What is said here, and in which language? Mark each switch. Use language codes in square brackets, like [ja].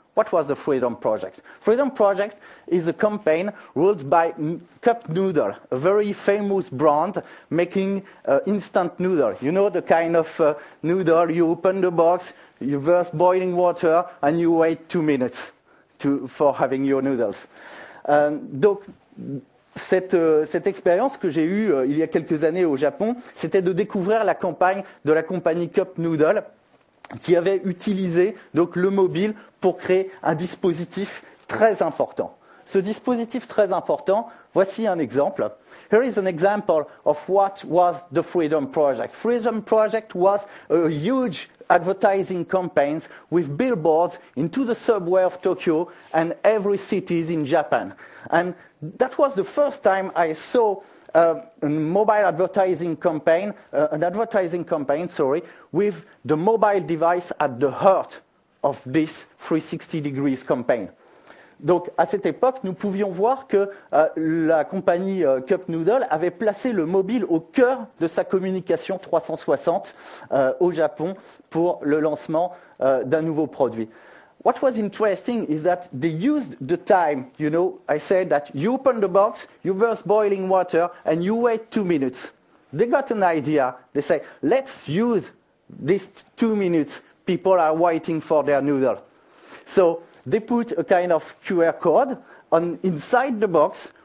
[en] What was the Freedom Project? Freedom Project is a campaign ruled by Cup Noodle, a very famous brand making instant noodle. You know the kind of noodle, you open the box, you verse boiling water, and you wait 2 minutes for having your noodles. [fr] Donc, cette expérience que j'ai eue il y a quelques années au Japon, c'était de découvrir la campagne de la compagnie Cup Noodle, qui avait utilisé donc le mobile pour créer un dispositif très important. Ce dispositif très important, voici un exemple. [en] Here is an example of what was the Freedom Project. Freedom Project was a huge advertising campaigns with billboards into the subway of Tokyo and every cities in Japan. And that was the first time I saw a mobile advertising campaign, with the mobile device at the heart of this 360 degrees campaign. [fr] Donc, à cette époque, nous pouvions voir que la compagnie Cup Noodle avait placé le mobile au cœur de sa communication 360 au Japon pour le lancement d'un nouveau produit. [en] What was interesting is that they used the time, you know, I said that you open the box, you verse boiling water, and you wait 2 minutes. They got an idea. They say, let's use these 2 minutes. People are waiting for their noodle. So they put a kind of QR code on inside the box.